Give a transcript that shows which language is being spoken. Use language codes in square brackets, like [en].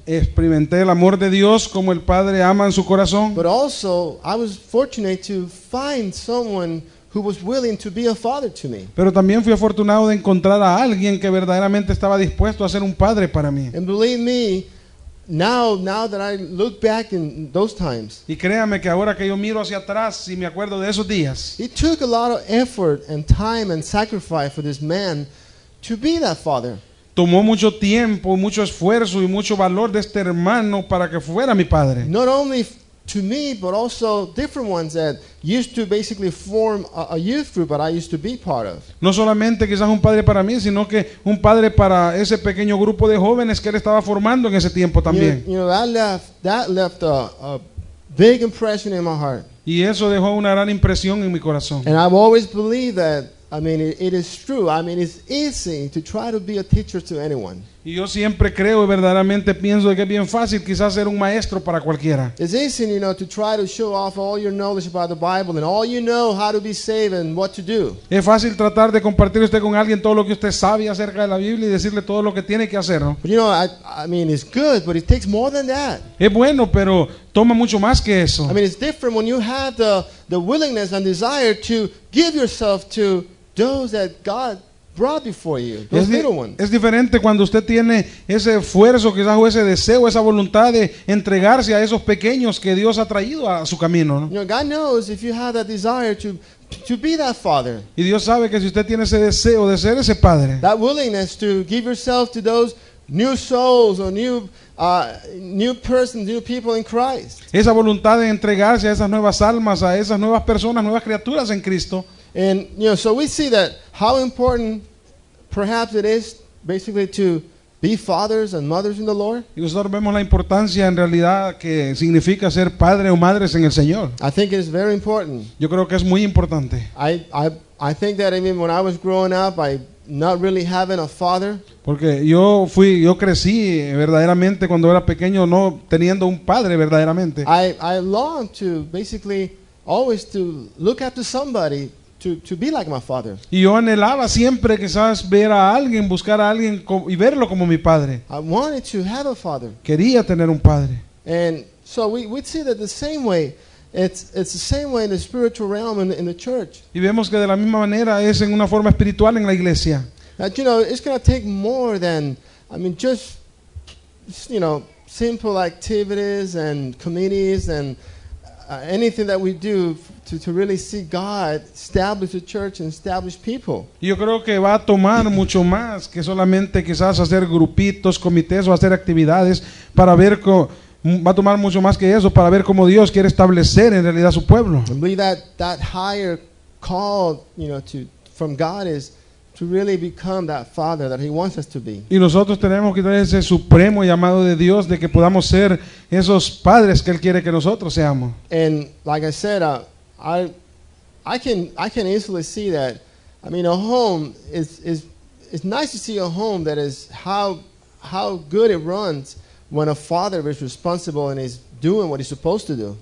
[es] Experimenté el amor de Dios como el Padre ama en su corazón. [en] But also, I was fortunate to find someone who was willing to be a father to me. [es] Pero también fui afortunado de encontrar a alguien que verdaderamente estaba dispuesto a ser un padre para mí. [en] And believe me, now that I look back in those times. [es] Y créame que ahora que yo miro hacia atrás y me acuerdo de esos días. [en] It took a lot of effort and time and sacrifice for this man to be that father. [es] Tomó mucho tiempo, mucho esfuerzo y mucho valor de este hermano para que fuera mi padre. [en] Not only to me, but also different ones that used to basically form a youth group that I used to be part of. [es] No solamente quizás un padre para mí, sino que un padre para ese pequeño grupo de jóvenes que él estaba formando en ese tiempo también. [en] You know, that left a big impression in my heart. [es] Y eso dejó una gran impresión en mi corazón. [en] And I've always believed that, I mean, it is true. I mean, it's easy to try to be a teacher to anyone. [es] Y yo siempre creo y verdaderamente pienso que es bien fácil quizás ser un maestro para cualquiera. [en] It's easy, you know, to try to show off all your knowledge about the Bible and all you know how to be saved and what to do. [es] Es fácil tratar de compartir usted con alguien todo lo que usted sabe acerca de la Biblia y decirle todo lo que tiene que hacer, ¿no? [en] But you know, I mean, it's good, but it takes more than that. [es] Es bueno, pero toma mucho más que eso. [en] I mean, it's different when you have the willingness and desire to give yourself to those that God brought before you, those little ones. [es] Es diferente cuando usted tiene ese esfuerzo, quizás o ese deseo, esa voluntad de entregarse a esos pequeños que Dios ha traído a su camino, ¿no? [en] You know, God knows if you have that desire to be that father. [es] Y Dios sabe que si usted tiene ese deseo de ser ese padre. [en] That willingness to give yourself to those new souls or new persons, new people in Christ. [es] Esa voluntad de entregarse a esas nuevas almas, a esas nuevas personas, nuevas criaturas en Cristo. [en] And you know, so we see that how important perhaps it is basically to be fathers and mothers in the Lord. [es] Y nosotros vemos la importancia en realidad que significa ser padre o madres en el Señor. [en] I think it's very important. [es] Yo creo que es muy importante. [en] I think that even when I was growing up, I not really having a father. [es] Porque yo crecí verdaderamente cuando era pequeño no teniendo un padre verdaderamente. [en] I longed to basically always to look after somebody. To be like my father. [es] Y yo anhelaba siempre quizás ver a alguien, buscar a alguien y verlo como mi padre. [en] I wanted to have a father. [es] Quería tener un padre. [en] And so we see that the same way, it's the same way in the spiritual realm in the church. [es] Y vemos que de la misma manera es en una forma espiritual en la iglesia. [en] That, you know, it's going to take more than, I mean, just, you know, simple activities and committees and anything that we do to really see God establish a church and establish people. [es] Yo creo que va a tomar mucho más que solamente quizás hacer grupitos, comités o hacer actividades para ver va a tomar mucho más que eso para ver cómo Dios quiere establecer en realidad su pueblo. [en] And believe that higher call, you know, to from God is to really become that father that he wants us to be. [es] Y nosotros tenemos que tener ese supremo llamado de Dios de que podamos ser esos padres que él quiere que nosotros seamos. [en] And like I said, I can easily see that. I mean, a home is nice to see a home that is how good it runs when a father is responsible and is doing what he's supposed to do.